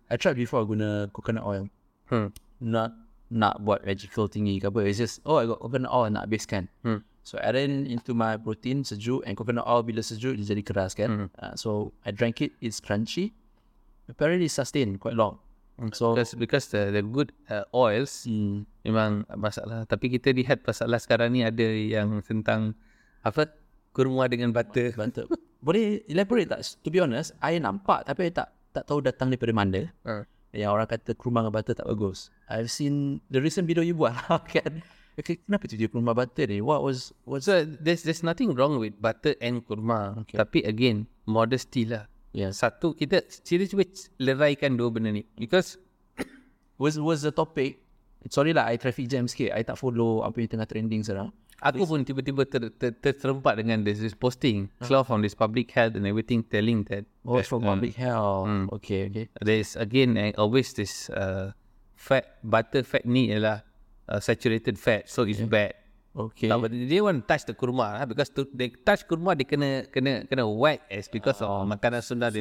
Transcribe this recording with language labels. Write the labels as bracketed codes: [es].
[en] I tried before guna coconut oil. Not [ms] nak buat magical tinggi ke apa. [en] It's just, oh, I got coconut oil [ms] nak habiskan. [en] So I added into my protein sejuk, and coconut oil [ms] bila sejuk dia jadi keras kan. [en] So I drank it, it's crunchy. Apparently it sustained quite long. So because the good oils [ms] memang masalah. Tapi kita lihat masalah sekarang ni ada yang tentang apa, kurma dengan butter. Boleh elaborate tak? [en] To be honest, [ms] I nampak tapi I tak tahu datang daripada mana. Yang orang kata kurma dengan butter tak bagus. [en] I've seen the recent video you [ms] buat kan. Okay, kenapa tu dia kurma butter ni? [en] What was So there's nothing wrong with butter and kurma. [ms] Okay. Tapi again, modesty lah. [en] Yeah. [ms] Satu, kita serious which leraikan dua benda ni. Because [en] was the topic. Sorry lah, I traffic jam sikit. [ms] I tak follow apa yang tengah trending sekarang. Aku pun tiba-tiba terserempak dengan [en] this posting. Claw from this public health and everything telling that. It's from public health. Okay. There's again, always this fat, butter fat [ms] ni ialah [en] saturated fat. So it's bad. Okay. But they want to touch the kurma lah, because to, they touch kurma, they kena whack as because of [ms] makanan Sunda.